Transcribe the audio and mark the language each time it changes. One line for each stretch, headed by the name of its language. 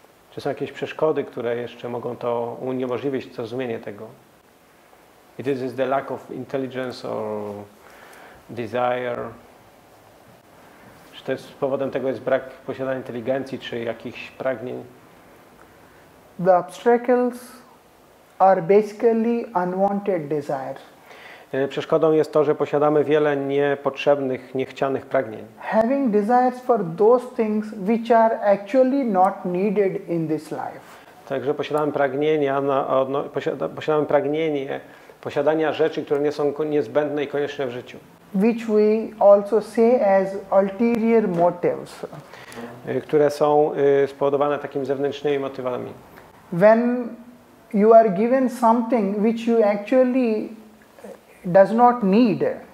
Polish: Czy są jakieś przeszkody, które jeszcze mogą to uniemożliwić, to zmienię tego?
English: It is the lack of intelligence or desire.
Polish: Czy to jest powodem tego jest brak posiadania inteligencji, czy jakichś pragnień?
English: The obstacles are basically unwanted desires.
Polish: Przeszkodą jest to, że posiadamy wiele niepotrzebnych, niechcianych pragnień.
English: Having desires for those things which are actually not needed in this life.
Polish: Także posiadamy pragnienia, posiadamy pragnienie posiadania rzeczy, które nie są niezbędne i konieczne w życiu.
English: Which we also say as ulterior motives.
Polish: Które są spowodowane takimi zewnętrznymi motywami.
English: When you are given something which you actually does not need.